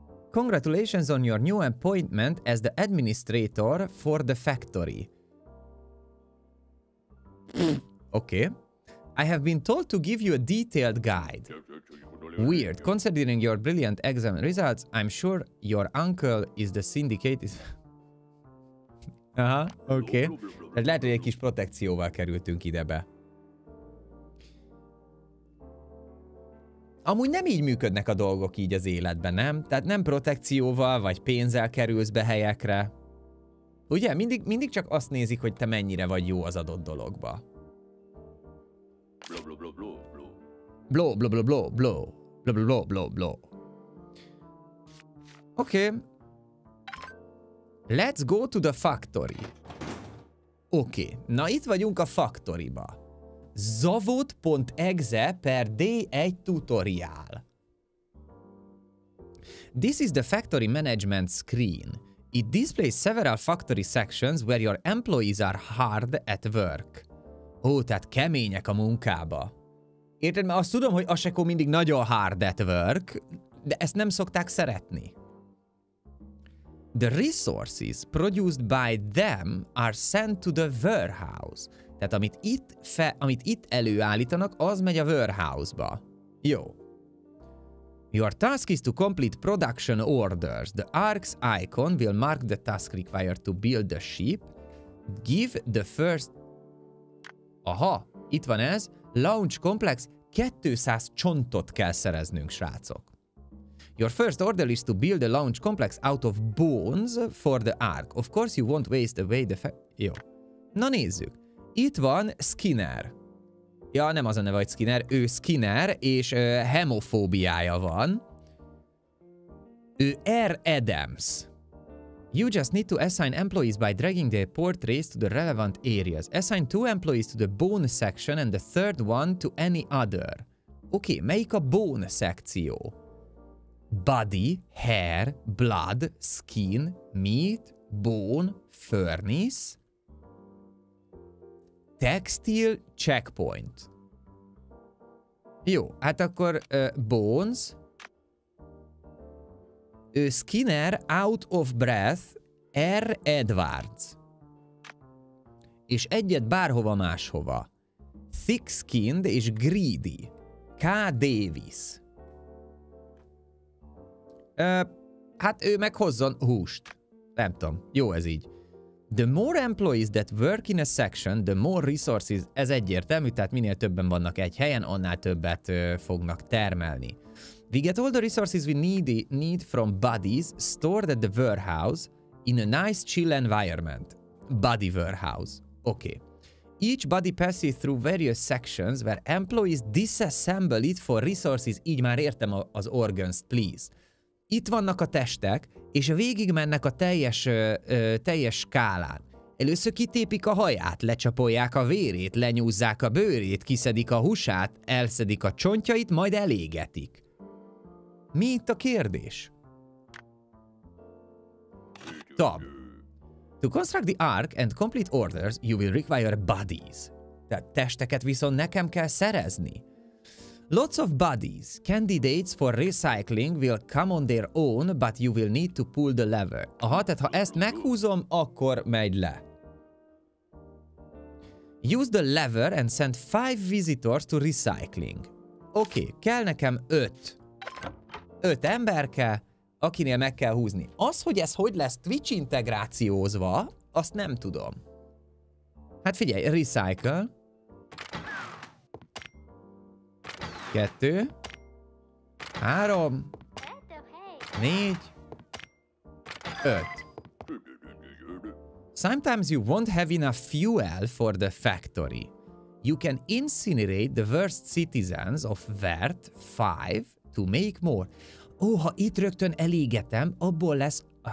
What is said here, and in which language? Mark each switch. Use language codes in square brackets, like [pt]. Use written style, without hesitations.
[en] Congratulations on your new appointment as the administrator for the factory. Oké. Okay. I have been told to give you a detailed guide. Weird. Considering your brilliant exam results, I'm sure your uncle is the syndicate is... Aha, oké. Okay. [hu] Lehet, hogy egy kis protekcióval kerültünk idebe. Amúgy nem így működnek a dolgok így az életben, nem? Tehát nem protekcióval vagy pénzzel kerülsz be helyekre. Ugye? Mindig csak azt nézik, hogy te mennyire vagy jó az adott dologba. Bló, bló, bló, bló, bló. Bló, bló, bló, bló, bló. [en] Oké. Okay. Let's go to the factory. Oké, okay. [hu] Na itt vagyunk a factory-ba. [en] Zavod.exe per D1 tutorial. This is the factory management screen. It displays several factory sections where your employees are hard at work. [hu] Ó, tehát kemények a munkába. Érted, mert azt tudom, hogy Aseko mindig nagyon [en] hard at work, [hu] de ezt nem szokták szeretni. [en] The resources produced by them are sent to the warehouse. [hu] Tehát amit itt előállítanak, az megy a warehouse-ba. Jó. [en] Your task is to complete production orders. The arcs icon will mark the task required to build the ship. Give the first... [hu] Aha, itt van ez. [en] Launch complex. [hu] 200 csontot kell szereznünk, srácok. [en] Your first order is to build a launch complex out of bones for the arc. Of course you won't waste away the... [hu] Jó. Na nézzük. Itt van Skinner. Ja, nem az a neve, hogy Skinner. Ő Skinner, és hemofóbiája van. Ő R. Adams. [en] You just need to assign employees by dragging their portraits to the relevant areas. Assign two employees to the bone section and the third one to any other. [hu] Oké, okay, melyik a bone szekció? [en] Body, hair, blood, skin, meat, bone, furnace. [hu] Textile, checkpoint. Jó, hát akkor bones. [en] Ő Skinner, out of breath, R. Edwards. [hu] És egyet bárhova máshova. [en] Thick-skinned [hu] és [en] greedy. K. Davis. [hu] Hát ő meghozzon húst. Nem tudom, jó ez így. [en] The more employees that work in a section, the more resources. [hu] Ez egyértelmű, tehát minél többen vannak egy helyen, annál többet fognak termelni. [en] We get all the resources we need from bodies stored at the warehouse in a nice chill environment. Body warehouse. Okay. Each body passes through various sections where employees disassemble it for resources. [hu] Így már értem az [en] organs, please. [hu] Itt vannak a testek, és végig mennek a teljes skálán. Először kitépik a haját, lecsapolják a vérét, lenyúzzák a bőrét, kiszedik a húsát, elszedik a csontjait, majd elégetik. Mi itt a kérdés? [en] Tab. To construct the ark and complete orders, you will require bodies. [hu] Tehát testeket viszont nekem kell szerezni. [en] Lots of bodies. Candidates for recycling will come on their own, but you will need to pull the lever. [hu] Aha, tehát ha ezt meghúzom, akkor megy le. [en] Use the lever and send 5 visitors to recycling. [hu] Oké, okay, kell nekem 5. 5 emberke, akinél meg kell húzni. Az, hogy ez hogy lesz Twitch integrációzva, azt nem tudom. Hát figyelj, recycle. 2, 3, 4, 5. [en] Sometimes you won't have enough fuel for the factory. You can incinerate the worst citizens of Vert 5 to make more. [hu] Ó, ha itt rögtön elégetem, abból lesz...